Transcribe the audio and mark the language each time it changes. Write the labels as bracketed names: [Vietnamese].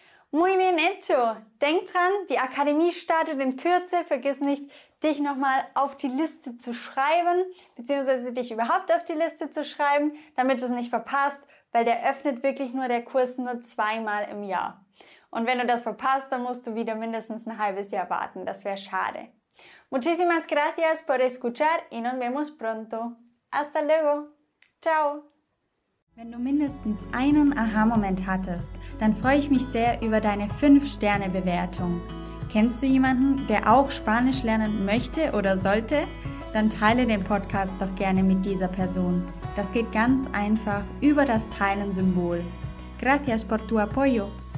[Spanish] Muy bien hecho. [German] Denk dran, die Akademie startet in Kürze. Vergiss nicht, dich nochmal auf die Liste zu schreiben, beziehungsweise dich überhaupt auf die Liste zu schreiben, damit du es nicht verpasst, weil der öffnet wirklich nur der Kurs nur zweimal im Jahr. Und wenn du das verpasst, dann musst du wieder mindestens ein halbes Jahr warten. Das wäre schade. [Spanish] Muchísimas gracias por escuchar y nos vemos pronto. Hasta luego. Ciao. [German] Wenn du mindestens einen Aha-Moment hattest, dann freue ich mich sehr über deine 5-Sterne-Bewertung. Kennst du jemanden, der auch Spanisch lernen möchte oder sollte? Dann teile den Podcast doch gerne mit dieser Person. Das geht ganz einfach über das Teilen-Symbol. [Spanish] Gracias por tu apoyo.